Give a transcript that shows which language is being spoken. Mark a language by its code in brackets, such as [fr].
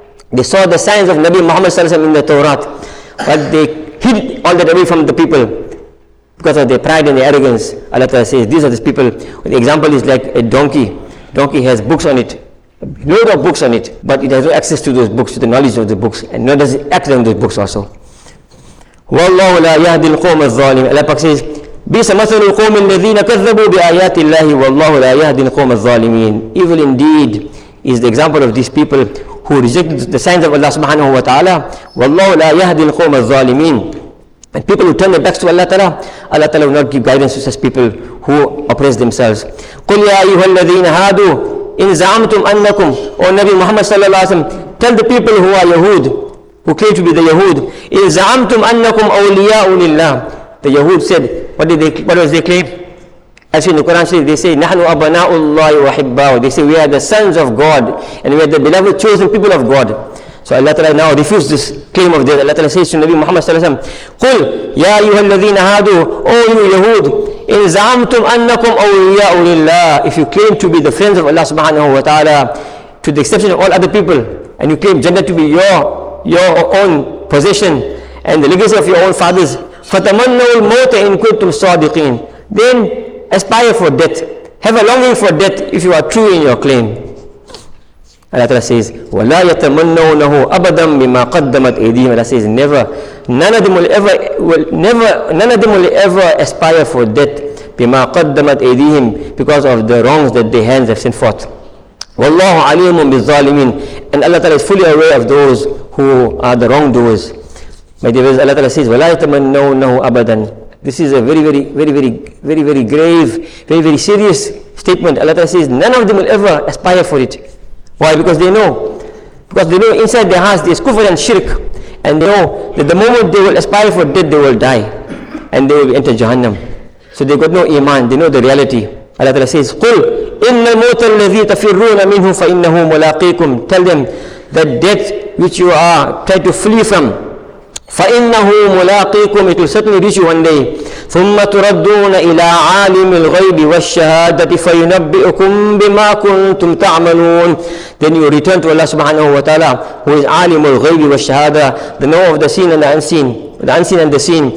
[en] They saw the signs of Nabi Muhammad s.a.w. in the Torah, but they hid all that away from the people because of their pride and their arrogance. Allah says, these are these people. The example is like a donkey. Donkey has books on it. Load of books on it, but it has no access to those books, to the knowledge of the books, and nor does it act on those books also. [ar] وَاللَّهُ لَا يَهْدِي الْقَوْمَ الظَّالِمِ. [en] Allah Pak says, [ar] بِيْسَ مَثَلُ الْقَوْمِ الَّذِينَ كَذَّبُوا بِآيَاتِ اللَّهِ وَاللَّهُ لَا يَهْدِي الْقَوْمَ الظَّالِمِينَ. [en] Evil indeed is the example of these people who rejected the signs of Allah subhanahu wa ta'ala. [ar] وَاللَّهُ لَا يَهْدِي الْقَوْمَ الظَّالِمِينَ. [en] And people who turn their backs to Allah ta'ala, Allah ta'ala will not give guidance to such people who oppress themselves. [ar] قُلْ يَا أَيُّهَا الَّذِينَ هَادُوا إِنْ زَعَمْتُمْ أَنَّكُمْ, [en] O Nabi Muhammad صلى الله عليه وسلم, tell the people who are Yahud, who claim to be the Yahud, [ar] إِنْ زَعَمْتُمْ أَنَّكُمْ أَوْلِيَاءُ لِلَّهِ. [en] The Yahud said, what was their claim? As in the Quran says, they say, [ar] نَحْنُ أَبْنَاءُ اللَّهِ وَحِبَّاهُ. [en] They say, we are the sons of God, and we are the beloved chosen people of God. So Allah Ta'ala now refused this claim of theirs. Allah Ta'ala says to Nabi Muhammad صلى الله عليه وسلم, [ar] قُلْ يَا أَيُّهَا الَّذِينَ هَادُوا, [en] O you Yahud, [ar] إِنْ زَعَمْتُمْ أَنَّكُمْ أَوْلِيَاءُ لِلَّهِ. [en] If you claim to be the friends of Allah subhanahu wa ta'ala, to the exception of all other people, and you claim Jannah to be your own possession and the legacy of your own fathers, [ar] فَتَمَنَّوُ الْمَوْتَ إِنْ كُنْتُمْ صَادِقِينَ, [en] then aspire for death. Have a longing for death if you are true in your claim. Allah Ta'ala says, [ar] وَلَا يَتَمَنَّوْنَهُ أَبَدًا بِمَا قَدَّمَتْ أَيْدِيهِمْ. [en] Allah says, none of them will ever aspire for death, [ar] بِمَا قَدَّمَتْ أَيْدِيهِمْ, [en] because of the wrongs that their hands have sent forth. [ar] وَاللَّهُ عَلِيمٌ بِالظَّالِمِينَ, [en] and Allah Ta'ala is fully aware of those who are the wrongdoers. My dear brothers, Allah Ta'ala says, [ar] وَلَا يَتَمَنَّوْنَهُ أَبَدًا. [en] This is a very, very, very, very, very, very grave, very, very serious statement. Allah Ta'ala says, none of them will ever aspire for it. Why? Because they know inside their hearts there is kufr and shirk, and they know that the moment they will aspire for death, they will die, and they will enter Jahannam. So they got no iman. They know the reality. Allah Ta'ala says, [ar] قُلْ إِنَّ الْمَوْتَ الَّذِي تَفِرُّونَ مِنْهُ فَإِنَّهُ مُلَاقِيكُمْ. [en] Tell them that death which you are trying to flee from, [ar] فَإِنَّهُ مُلَاقِيكُمْ, [en] it will certainly reach you one day. [ar] ثُمَّ تُرَدُّونَ إِلَىٰ عَالِمِ الْغَيْبِ وَالشَّهَادَةِ فَيُنَبِّئُكُمْ بِمَا كُنْتُمْ تَعْمَلُونَ. [en] Then you return to Allah subhanahu wa ta'ala, who is [ar] عَالِمُ الْغَيْبِ وَالشَّهَادَةِ, [en] the know of the seen and the unseen, the unseen and the seen.